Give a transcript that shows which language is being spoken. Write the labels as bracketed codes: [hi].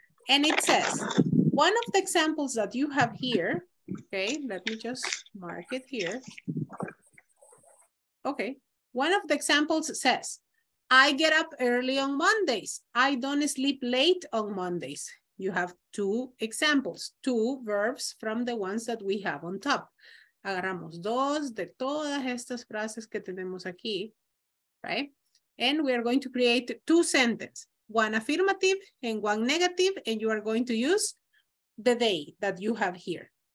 [en] And it says, one of the examples that you have here, okay, let me just mark it here. Okay, one of the examples says, I get up early on Mondays. I don't sleep late on Mondays. You have two examples, two verbs from the ones that we have on top. [es] Agarramos dos de todas estas frases que tenemos aquí, right? [en] And we are going to create two sentences, one affirmative and one negative, and you are going to use the day that you have here.